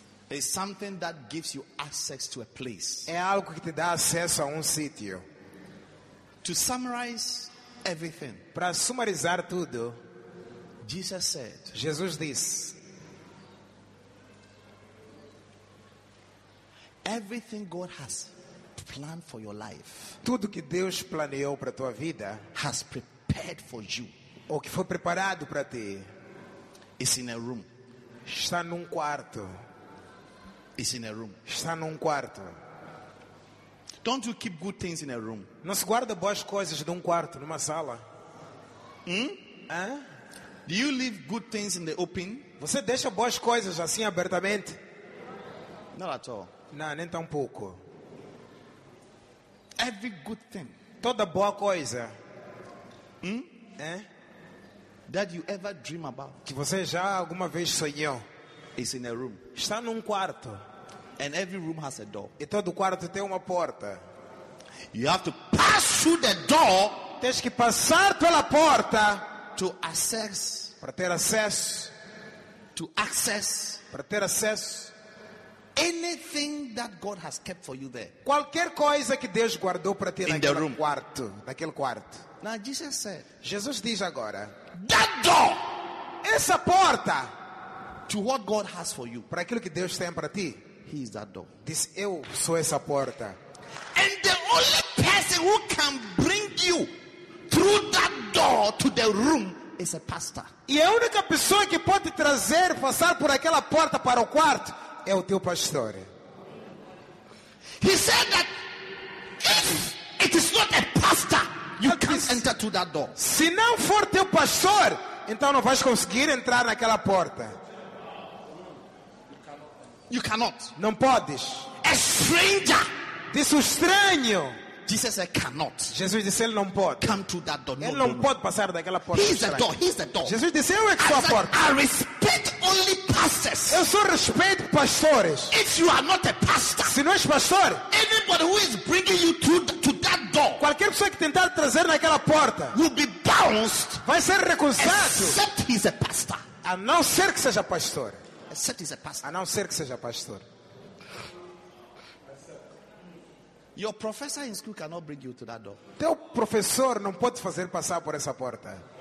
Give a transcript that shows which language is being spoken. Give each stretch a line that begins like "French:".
English: It's something that gives you access to a place.
Portuguese: É algo que te dá acesso a sítio.
English: To summarize, everything.
Portuguese: Para sumarizar tudo,
English: Jesus said.
Portuguese: Jesus disse.
English: Everything God has planned for your life.
Portuguese: Tudo que Deus planejou para tua vida
English: has prepared for you.
Portuguese: O que foi preparado para ti
English: is in a room.
Portuguese: Está num quarto.
English: Is in a room.
Portuguese: Está num quarto.
English: Don't you keep good things in a room?
Portuguese: Não se guarda boas coisas num quarto, numa sala.
English: Do you leave good things in the open?
Portuguese: Você deixa boas coisas assim abertamente?
English: Not at all.
Portuguese: Não, nem tão pouco.
English: Every good thing.
Portuguese: Toda boa coisa.
English: That you ever dream about.
Portuguese: Que você já alguma vez sonhou.
English: Is in a room.
Portuguese: Está num quarto.
English: And every room has a door.
Portuguese: E todo quarto tem uma porta.
English: You have to pass through the door.
Portuguese: Tens que passar pela porta.
English: To access.
Portuguese: Para ter acesso.
English: To access.
Portuguese: Para ter acesso.
English: Anything that God has kept for you there.
Portuguese: Qualquer coisa que Deus guardou para ter naquele quarto, naquele quarto.
English: Now Jesus said.
Portuguese: Jesus diz agora.
English: That door.
Portuguese: Essa porta.
English: To what God has for you.
Portuguese: Para aquilo que Deus tem para ti.
English: He is that door.
Portuguese: Diz, eu sou essa porta.
English: And the only person who can bring you through that door to the room is a pastor.
Portuguese: E a única pessoa que pode trazer, passar por aquela porta para o quarto é o teu pastor.
English: He said that if it is not a pastor, you can't enter to that door.
Portuguese: Se não for teu pastor, então não vais conseguir entrar naquela porta.
English: You cannot.
Portuguese: Não podes.
English: A stranger.
Portuguese: Disse o estranho.
English: Jesus said cannot.
Portuguese: Jesus disse ele não pode.
English: Come to that door.
Portuguese: Ele não pode passar daquela porta.
English: He's the door. He's the door.
Portuguese: Jesus disse eu é que sou a porta.
English: I respect only pastors.
Portuguese: Eu só respeito pastores.
English: If you are not a pastor.
Portuguese: Se não és pastor.
English: Anybody who is bringing you to that door.
Portuguese: Qualquer pessoa que tentar trazer naquela porta.
English: Will be bounced.
Portuguese: Vai ser recusado.
English: Except he's a pastor.
Portuguese: A não ser que seja pastor.
English: Except he's a pastor.
Portuguese: A não ser que seja pastor.
English: Your professor in school cannot bring you to that door.
Portuguese: Teu professor não pode fazer passar por essa porta.